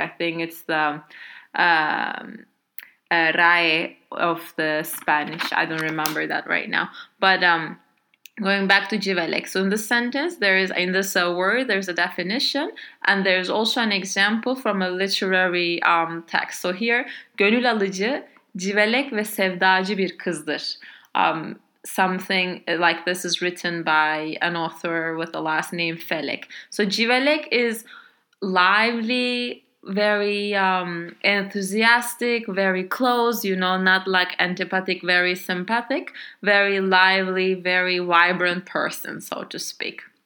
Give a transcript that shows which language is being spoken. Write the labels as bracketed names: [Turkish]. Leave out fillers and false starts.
[English] I think it's the RAE of the Spanish. I don't remember that right now. But going back to civelek. So in this sentence, there is, in this word, there's a definition and there's also an example from a literary text. So here, [Turkish] gönül alıcı, civelek ve sevdacı bir kızdır. [English] Something like this is written by an author with the last name Felek. So civelek is lively, very enthusiastic, very close, you know, not like antipathic, very sympathetic, very lively, very vibrant person, so to speak.